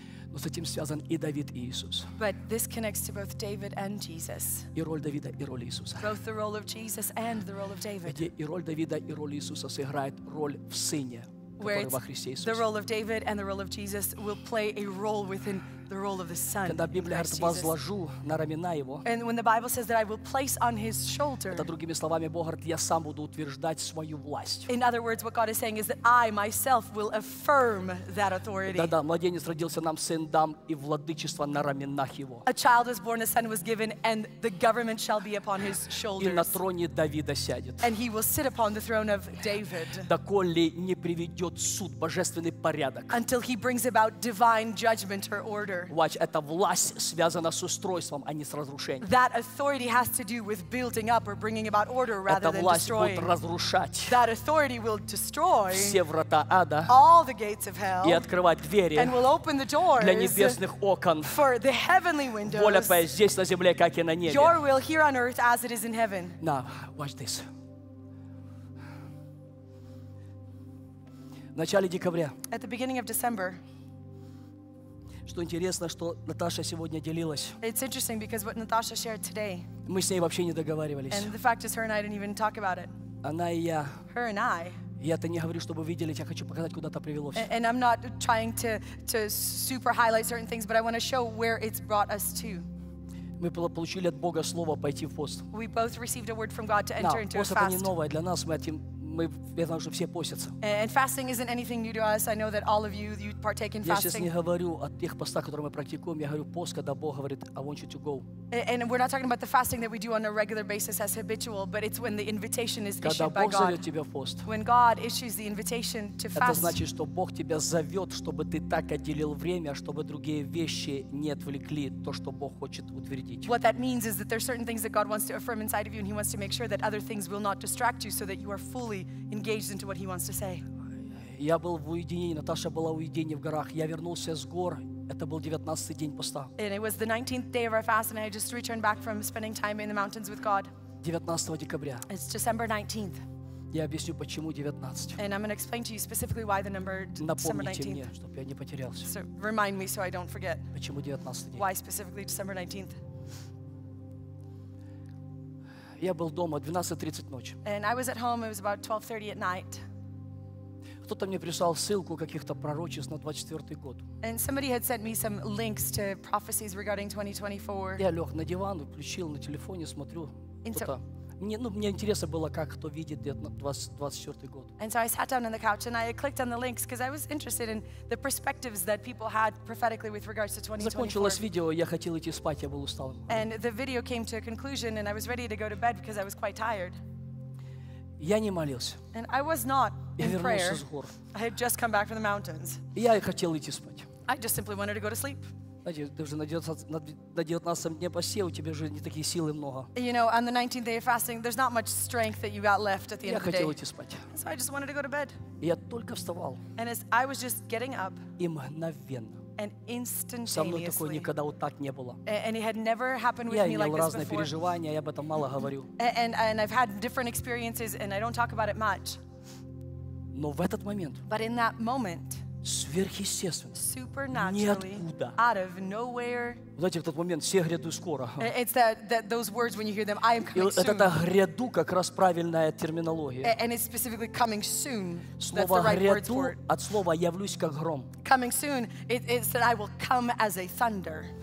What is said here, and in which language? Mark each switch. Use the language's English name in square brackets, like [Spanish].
[Russian] Но с этим связан и Давид, и Иисус. [English] But this connects to both David and Jesus. [Russian] И роль Давида, и роль Иисуса. [English] Both the role of Jesus and the role of David. [Russian] Где и роль Давида, и роль Иисуса сыграет роль в Сыне, который во Христе Иисусе. [English] The role of David and the role of Jesus will play a role within the role of the Son. [Russian] Когда Библия говорит, возложу на рамена Его. [English] And when the Bible says that I will place on His shoulder. [Russian] Это другими словами, Бог говорит, я сам буду утверждать свою власть. [English] In other words, what God is saying is that I myself will affirm that authority. [Russian] Да, младенец родился нам сын дам и владычество на раменах Его. [English] A child was born, a son was given, and the government shall be upon His shoulders. [Russian] И на троне Давида сядет. [English] And He will sit upon the throne of David. [Russian] Доколе не приведет суд божественный порядок. [English] Until He brings about divine judgment or order. [Russian] Watch, эта власть связана с устройством, а не с разрушением. [English] That authority has to do with building up or bringing about order rather than destroying. [Russian] Будет разрушать. [English] That authority will destroy [Russian] все врата ада, [English] all the gates of hell, [Russian] и открывать двери, [English] and will open the doors [Russian] для небесных окон, [English] for the heavenly windows. [Russian] Воля твоя здесь на земле, как и на небе. [English] Your will here on earth as it is in heaven. Now, watch this. [Russian] В начале декабря. [English] At the beginning of December. [Russian] Что интересно, что Наташа сегодня делилась. [English] It's interesting because what Natasha shared today. [Russian] Мы с ней вообще не договаривались. [English] And the fact is, her and I didn't even talk about it. [Russian] Она и я. [English] Her and I. [Russian] Я-то не говорю, чтобы видели, я хочу показать, куда-то привело все. [English] And I'm not trying to super highlight certain things, but I want to show where it's brought us to. [Russian] Мы получили от Бога слово пойти в пост. [English] We both received a word from God to enter into a fast. [Russian] Пост это не новое для нас, мы этим. Я знаю, что все постятся. [English] And fasting isn't anything new to us. I know that all of you partake in fasting. [Russian] Я сейчас не говорю о тех постах, которые мы практикуем. Я говорю пост, когда Бог говорит, [English] I want you to go. And we're not talking about the fasting that we do on a regular basis as habitual, but it's when the invitation is issued [Russian] когда [English] by God. [Russian] Когда Бог зовет тебя в пост. [English] When God issues the invitation to fast. [Russian] Это значит, что Бог тебя зовет, чтобы ты так отделил время, чтобы другие вещи не отвлекли то, что Бог хочет утвердить. [English] What that means is that there are certain things that God wants to affirm inside of you, and He wants to make sure that other things will not distract you, so that you are fully engaged into what He wants to say. [Russian] Я был в уединении, Наташа была в уединении в горах. Я вернулся с гор. Это был 19-й день поста. [English] And it was the 19th day of our fast, and I just returned back from spending time in the mountains with God. [Russian] 19 декабря. [English] It's December 19th. [Russian] Я объясню, почему 19. [English] And I'm going to explain to you specifically why the number December 19th. [Russian] Напомните мне, чтобы я не потерялся. [English] So remind me so I don't forget. [Russian] Почему 19 день? [English] Why specifically December 19th? [Russian] Я был дома 12:30 ночи. [English] And I was at home. It was about 12:30 at night. [Russian] Кто-то мне прислал ссылку каких-то пророчеств на 24-й год. [English] And somebody had sent me some links to prophecies regarding 2024. [Russian] Я лег на диван, включил на телефоне, смотрю. Кто-то. Мне интересно было, как кто видит 24-й год. [English] And so I sat down on the couch and I clicked on the links because I was interested in the perspectives that people had prophetically with regards to 2024. [Russian] Закончилось видео, я хотел идти спать, я был устал. [English] And the video came to a conclusion and I was ready to go to bed because I was quite tired. [Russian] Я не молился. [English] And I was not in prayer. [Russian] Я вернулся с гор. [English] I had just come back from the mountains. [Russian] Я хотел идти спать. [English] I just simply wanted to go to sleep. [Russian] Знаете, ты уже на 19-м дне посте, у тебя уже не такие силы много. [English] You know, on the 19th day of fasting, there's not much strength that you got left at the end of the day. [Russian] Я хотел идти спать. [English] So I just wanted to go to bed. [Russian] Я только вставал. [English] And as I was just getting up. [Russian] И мгновенно. [English] And instantaneously. [Russian] Со мной такое никогда вот так не было. [English] And it had never happened with me like this before. [Russian] Я имел разные переживания, я об этом мало говорю. [English] And I've had different experiences, and I don't talk about it much. [Russian] Но в этот момент. [English] But in that moment. [Russian] Сверхъестественно. [English] Supernaturally. [Russian] Ниоткуда. [English] Out of nowhere. [Russian] Знаете, в тот момент все гряду скоро. [English] It's that those words when you hear them, I am coming soon. [Russian] Это та гряду как раз правильная терминология. [English] And it's specifically coming soon. [Russian] Слово гряду от слова явлюсь как гром. [English] Coming soon, it's that I will come as a thunder.